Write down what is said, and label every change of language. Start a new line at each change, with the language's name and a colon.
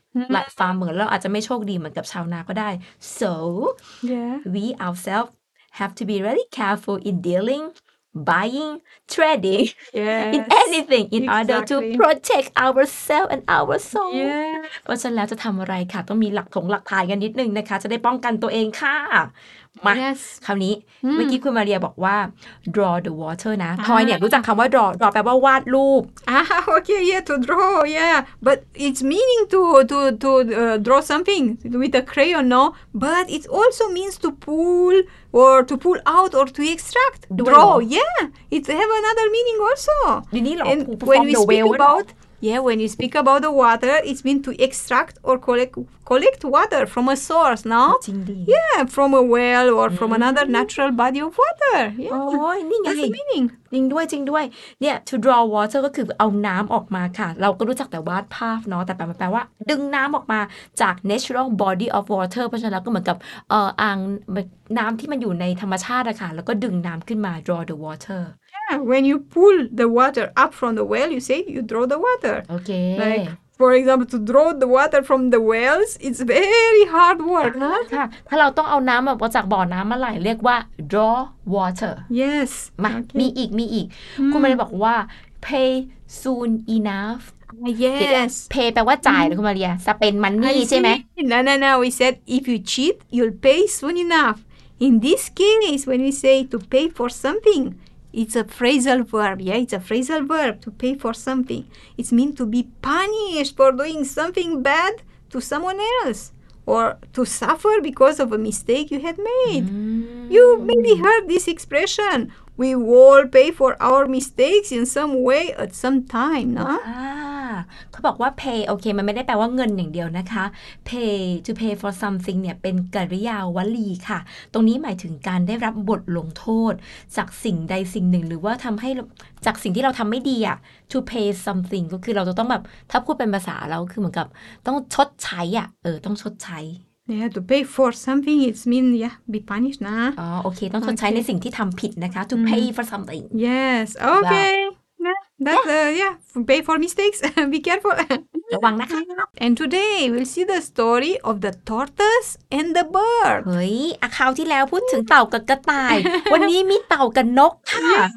English: Like farmer,
Thai: เราอาจจะไม่โชคดีเหมือนกับชาวนาก็ได้ So,
English: yeah. we ourselves have to be really careful in dealing, buying, trading, yes. in anything in exactly. order to protect ourselves and our soul. Yeah.
Thai: เพราะฉะนั้นแล้วจะทำอะไรคะต้องมีหลักถงหลักภายกันนิดนึงนะคะจะได้ป้องกันตัวเองค่ะมา
English: yes.
Thai: คราวนี้เมื่อกี้คุณมาเรียบอกว่า draw the water นะทอยเนี่ยรู้จักคำว่า draw แปลว่าวาดรูป
English: okay yeah to draw yeah but it's meaning to draw something with a crayon no but it also means to pull or to pull out or to extract draw yeah it have another meaning also you need and when we speak about Yeah, when you speak about the water, it's meant to extract or collect water from a source, no? Yeah, from a well or from another natural body of water. Yeah. Oh, that's the meaning.
Thai: จริงด้วยจริงด้วยเนี่ย
English: to draw water
Thai: ก็คือเอาน้ำออกมาค่ะเราก็รู้จักแต่วาดภาพเนาะแต่แปลว่าดึงน้ำออกมาจาก
English: natural body of water
Thai: เพราะฉะนั้นก็เหมือนกับอ่างน้ำที่มันอยู่ในธรรมชาติอะค่ะแล้วก็ดึงน้ำขึ้นมา
English: draw the water yeah when you pull the water up from the well you say you draw the water okay like for example to draw the water from the wells it's very hard work
Thai: ค่ะถ้าเราต้องเอาน้ำออกมาจากบ่อน้ำมาไหลเรียกว่า drawwater
English: yes มา okay.
Thai: มีอีกคุณมาเรียบอกว่า pay soon enough
English: yes
Thai: pay แปลว่าจ่ายนะคุณมาเรีย
English: spend money
Thai: ใช่ไหม
English: no we said if you cheat you'll pay soon enough in this case when we say to pay for something it's a phrasal verb yeah it's a phrasal verb to pay for something it's mean to be punished for doing something bad to someone elseOr to suffer because of a mistake you had made. You maybe heard this expression. We all pay for our mistakes in some way at some time, no?
Thai: เขาบอกว่า pay โอเคมันไม่ได้แปลว่าเงินอย่างเดียวนะคะ
English: pay to pay for something
Thai: เนี่ยเป็นกริยาวลีค่ะตรงนี้หมายถึงการได้รับบทลงโทษจากสิ่งใดสิ่งหนึ่งหรือว่าทำให้จากสิ่งที่เราทำไม่ดีอะ to pay something ก็คือเราจะต้องแบบถ้าพูดเป็นภาษาเราคือเหมือนกับต้องชดใช้อะต้องชดใช้
English: yeah to pay for something it's mean yeah be punished นะ
Thai: อ๋อโอเคต้องชดใช้ในสิ่งที่ทำผิดนะคะ
English: to pay for something yes okayPay for mistakes. Be careful. And today we'll see the story of the tortoise and the bird.
Thai: Hey, account ที่แล้วพูดถึงเต่ากับกระต่ายวันนี้มีเต่ากับนกค่ะ